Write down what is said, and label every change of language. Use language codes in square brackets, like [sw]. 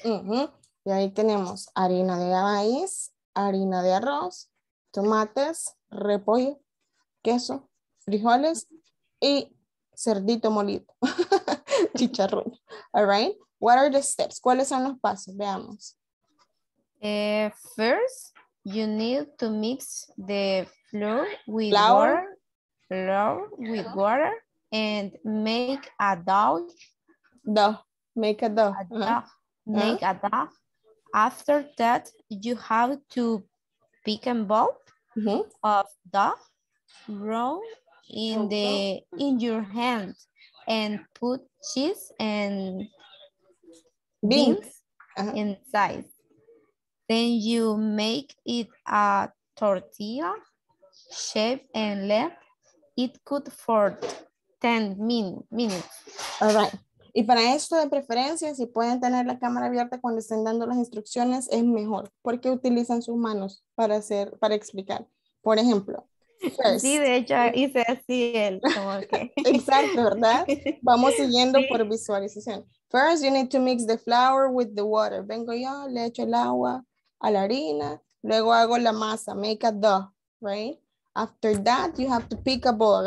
[es] Y ahí tenemos harina de maíz, harina de arroz, tomates, repollo, queso, frijoles y cerdito molido, chicharrón. [en] All right. What are the steps? [es] ¿Cuáles son los pasos? Veamos. [en] First, you need to mix the flour with flour. Flour with water and make a dough. Dough. Make a dough. Make a dough. After that, you have to pick and bulk of dough, roll in the in your hand, and put cheese and beans inside. Then you make it a tortilla shape and let it cook for 10 minutes. All right. [es] Y para esto, de preferencia, si pueden tener la cámara abierta cuando estén dando las instrucciones, es mejor, porque utilizan sus manos para hacer, para explicar. Por ejemplo, first. Sí, de hecho, hice así el, como que. Exacto, ¿verdad? Vamos siguiendo por visualización. [en] First, you need to mix the flour with the water. [es] Vengo yo, le echo el agua a la harina, luego hago la masa, [en] make a dough, [es] right? [en] After that, you have to pick a ball.